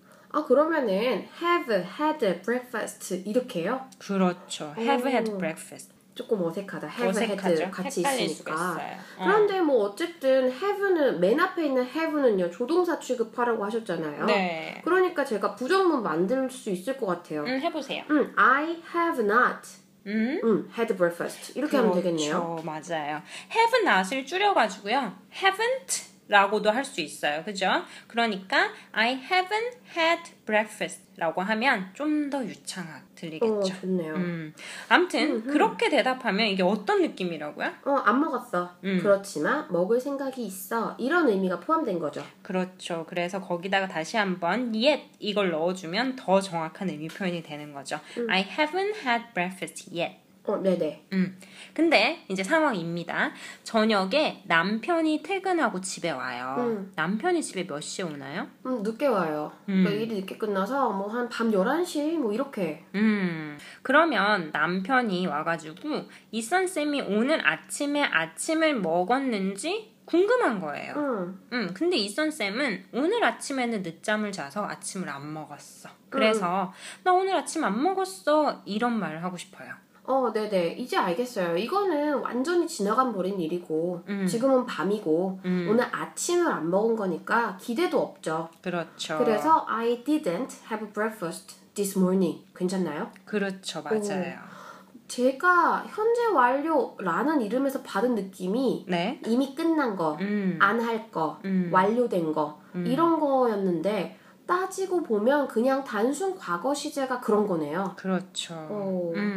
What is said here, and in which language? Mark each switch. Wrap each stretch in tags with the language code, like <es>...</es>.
<ko>아, 그러면은</ko> <en>have, had, breakfast</en> <ko>이렇게요? 그렇죠.</ko> <en>have, had, breakfast.</en> <ko>조금 어색하다. Have, 어색하죠? had 같이 있으니까. 그런데 뭐 어쨌든 have는 맨 앞에 있는 have는요. 조동사 취급하라고 하셨잖아요. 네. 그러니까 제가 부정문 만들 수 있을 것 같아요. 해보세요.</ko> <en>I have not had breakfast.</en> <ko>이렇게 그렇죠. 하면 되겠네요. 맞아요. have not을 줄여가지고요. haven't 라고도 할 수 있어요. 그죠? 그러니까</ko> <en>I haven't had breakfast</en> <ko>라고 하면 좀 더 유창하게 들리겠죠. 좋네요. 아무튼 그렇게 대답하면 이게 어떤 느낌이라고요? 안 먹었어. 그렇지만 먹을 생각이 있어. 이런 의미가 포함된 거죠. 그렇죠. 그래서 거기다가 다시 한번 yet 이걸 넣어주면 더 정확한 의미 표현이 되는 거죠.</ko> <en>I haven't had breakfast yet.</en> <ko>네네. 근데 이제 상황입니다. 저녁에 남편이 퇴근하고 집에 와요. 남편이 집에 몇 시에 오나요? 늦게 와요. 그러니까 일이 늦게 끝나서 뭐 한 밤 11시 뭐 이렇게. 그러면 남편이 와가지고 이선쌤이 오늘 아침에 아침을 먹었는지 궁금한 거예요. 근데 이선쌤은 오늘 아침에는 늦잠을 자서 아침을 안 먹었어. 그래서 나 오늘 아침 안 먹었어 이런 말을 하고 싶어요. 네네. 이제 알겠어요. 이거는 완전히 지나간 버린 일이고 지금은 밤이고 오늘 아침을 안 먹은 거니까 기대도 없죠. 그렇죠.</ko> <en>그래서 I didn't have breakfast this morning.</en> <ko>괜찮나요? 그렇죠. 맞아요. 제가 현재 완료라는 이름에서 받은 느낌이 네? 이미 끝난 거, 안 할 거, 완료된 거 이런 거였는데 따지고 보면 그냥 단순 과거 시제가 그런 거네요. 그렇죠.</ko>